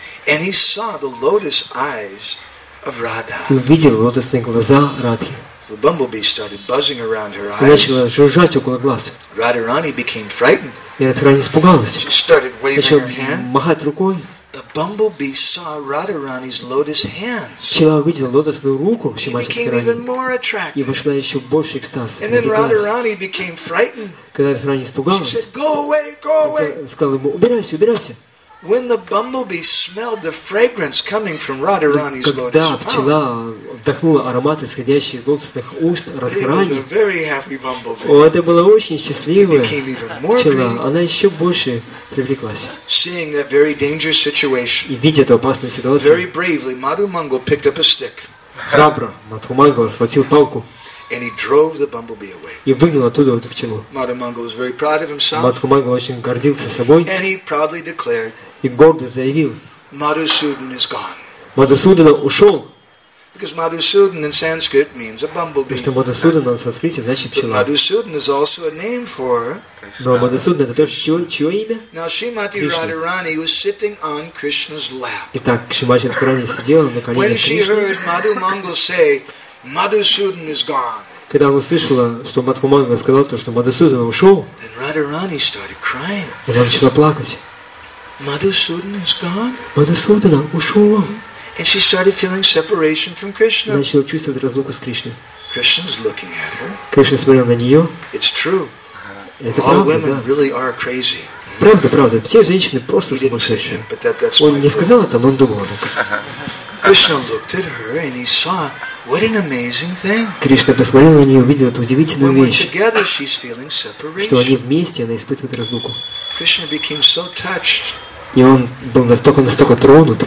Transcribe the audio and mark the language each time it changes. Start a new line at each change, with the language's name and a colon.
English: And he saw the lotus eyes of Radha.
Russian: И увидел лотосные глаза Радхи.
English: So the bumblebee started buzzing around her eyes.
Russian: И начала жужжать около глаз.
English: Радхарани became frightened.
Russian: И Радхарани испугалась.
English: She started waving her hand.
Russian: Махать рукой.
English: The bumblebee saw Radharani's lotus hands.
Russian: Пчела увидела лотосную руку Шримати Радхарани.
English: Became even more attracted.
Russian: И вошла еще в больший экстаз.
English: And then Radharani became frightened.
Russian: Когда Радхарани испугалась,
English: she said, "Go away, go away."
Russian: Сказала ему, убирайся, убирайся.
English: When the bumblebee smelled the fragrance coming from Radharani's lotus
Russian: Когда пчела вдохнула аромат, исходящий из лотосных уст Радхарани,
English: it was a very happy bumblebee.
Russian: О, это была очень счастливая пчела. Она еще больше привлеклась.
English: Seeing that very dangerous situation,
Russian: и видя эту опасную ситуацию,
English: very bravely, Madhu Mangal picked up a stick.
Russian: Храбро Madhu Mangal схватил палку.
English: And he drove the bumblebee away.
Russian: И выгнал оттуда эту пчелу.
English: Madhu Mangal was very proud of himself.
Russian: Madhu Mangal очень гордился собой.
English: And he proudly declared.
Russian: И гордо заявил.
English: Madhusudan is gone.
Russian: Madhusudan ушел.
English: Because Madhusudan in Sanskrit means a bumblebee.
Russian: Потому что Madhusudan в санскрите значит пчела.
English: But Madhusudan is also a name for.
Russian: Но Madhusudan это тоже чье имя?
English: Now Shrimati Radharani was sitting on Krishna's lap.
Russian: Итак, Шримати Радхарани сидела на коленях Кришны.
English: When she heard Madhu Mangal say, Madhusudan is gone.
Russian: когда он услышал, что Мадхумана сказал то, что Мадхусудана ушел, она начала плакать. Мадхусудана ушел.
English: And she started feeling separation from Krishna.
Russian: Начала чувствовать разлуку с Кришной.
English: Krishna's looking at her.
Russian: Кришна смотрел на нее.
English: It's true.
Russian: Это
English: All
Russian: правда,
English: women
Russian: да.
English: really are crazy.
Russian: Правда, правда. Все женщины просто сумасшедшие. Он не сказал это, но он думал так.
English: Krishna looked at her and he saw what an amazing thing.
Russian: Кришна посмотрел на нее и увидел эту удивительную
English: When
Russian: вещь.
English: Together, she's feeling separation.
Russian: Что они вместе, она испытывает разлуку.
English: Krishna became so touched.
Russian: И он был настолько тронут.